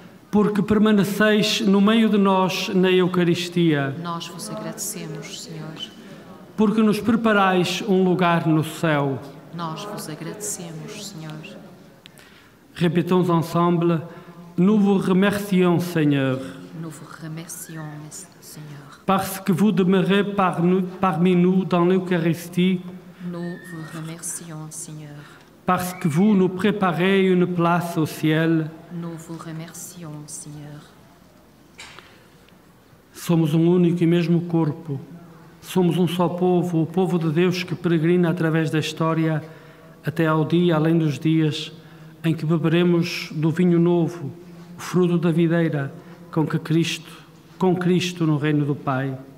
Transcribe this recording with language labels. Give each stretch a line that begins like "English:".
Portuguese: Porque permaneceis no meio de nós na Eucaristia. Nós vos agradecemos, Senhor. Porque nos preparais um lugar no céu. Nós vos agradecemos, Senhor. Repitamos ensemble.
French: Nous vous remercions, Seigneur. Nous vous remercions, Seigneur. Parce que vous demeurez parmi nous dans l'Eucharistie. Nous vous remercions, Seigneur. Parce que vous nous préparez une place au ciel. Nous vous remercions, Seigneur.
Portuguese: Somos único e mesmo corpo. Somos só povo, o povo de Deus que peregrina através da história até ao dia, além dos dias, em que beberemos do vinho novo, o fruto da videira com que Cristo com Cristo no reino do Pai.